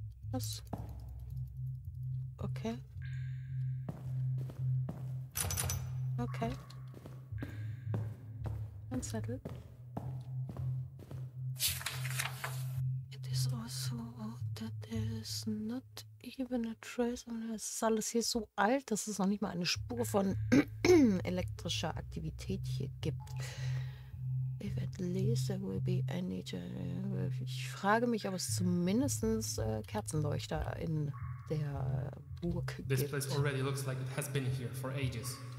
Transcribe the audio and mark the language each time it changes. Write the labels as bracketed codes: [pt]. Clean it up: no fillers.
[de] Was? Okay. Okay. Ein Zettel. [en] It is also that there is not even a trace on it. [de] Es ist alles hier so alt, dass es noch nicht mal eine Spur von elektrischer Aktivität hier gibt. [en] If at least there will be any. [de] Ich frage mich, ob es zumindest Kerzenleuchter in der Burg gibt. [en] This place already looks like it has been here for ages.